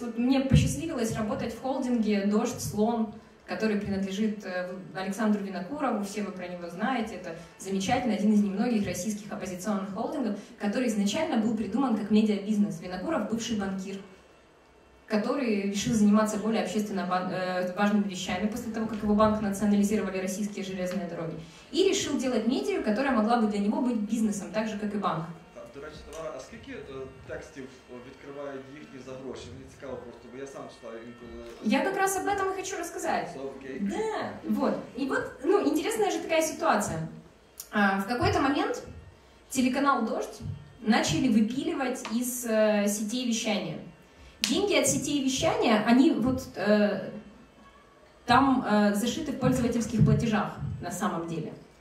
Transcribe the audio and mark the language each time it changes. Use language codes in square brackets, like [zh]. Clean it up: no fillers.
[ru] Вот мне посчастливилось работать в холдинге «Дождь», «Слон», который принадлежит Александру Винокурову, все вы про него знаете, это замечательно, один из немногих российских оппозиционных холдингов, который изначально был придуман как медиабизнес. Винокуров — бывший банкир, который решил заниматься более общественно важными вещами после того, как его банк национализировали российские железные дороги, и решил делать медиа, которая могла бы для него быть бизнесом, так же, как и банк. [uk] А скільки текстів відкривають їхні за гроші? Мені цікаво просто, бо я сам читаю інколи. Я якраз [ru] об этом [uk] і хочу розказати. [en] So, okay. [ru] Да. Вот. І вот, ну, интересная же такая ситуация. В какой-то момент телеканал «Дождь» начали выпиливать из сетей вещания. Деньги от сетей вещания, они вот там зашиты в пользовательских платежах на самом деле.